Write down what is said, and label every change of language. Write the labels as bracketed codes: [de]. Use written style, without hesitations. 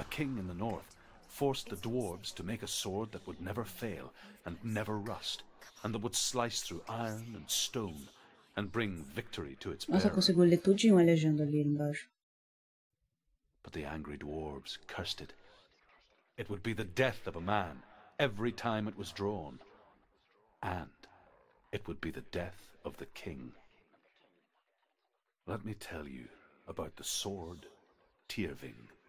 [en] A king in the north forced the dwarves to make a sword that would never fail and never rust, and that would slice through iron and stone and bring victory to its bearer. [pt] Nossa, conseguiu ler tudinho a legenda ali embaixo. [en] But the angry dwarves cursed it. It would be the death of a man every time it was drawn, and it would be the death of the king. Let me tell you about the sword Tyrving.